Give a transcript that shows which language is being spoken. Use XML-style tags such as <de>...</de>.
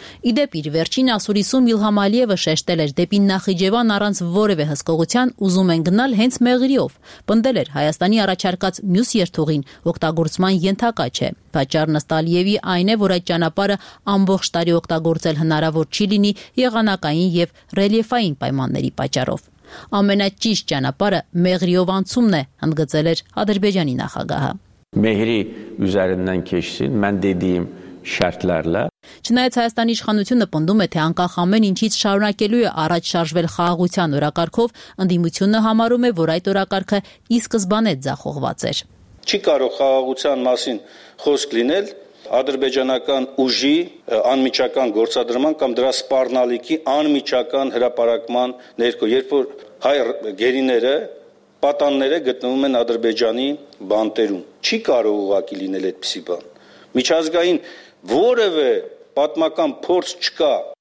<hy>Իդեպ իր վերջին ասուրիսում Իլհամ Ալիևը շեշտել էր դեպի Նախիջևան առանց որևէ հսկողության ուզում են գնալ հենց Մեղրիով։ Պնդել էր Հայաստանի առաջարկած մյուս երթուղին օգտագործման ենթակա չէ։ Պատճառն ըստ Ալիևի այն է, որ այդ ճանապարհը ամբողջ տարի օգտագործել հնարավոր չի լինի եղանակային և ռելիեֆային պայմանների պատճառով։ Ամենաճիշտ ճանապարհը Մեղրիով անցումն է, ընդգծել էր Ադրբեջանի նախագահը։</hy> <tr>Մեհրի üzerinden keşsin, ben dediğim şartlarla.</tr> <hy>Չնայած Հայաստանի իշխանությունը պնդում է, թե անկախ ամեն ինչից շարունակելու է առաջ շարժվել խաղաղության օրակարգով, ընդդիմությունը համարում է, որ այդ օրակարգը ի սկզբանե ձախողված էր։ Չի կարող խաղաղության մասին խոսք լինել ադրբեջանական ուժի անմիջական գործադրման կամ դրա սպառնալիքի անմիջական հրապարակման ներքո, երբ որ հայ գերիները պատանները գտնվում են Ադրբեջանի բանտերում։ Չի կարող ուղղակի լինել այդպիսի բան։ Միջազգային որևէ պատմական փորձ չկա։</hy>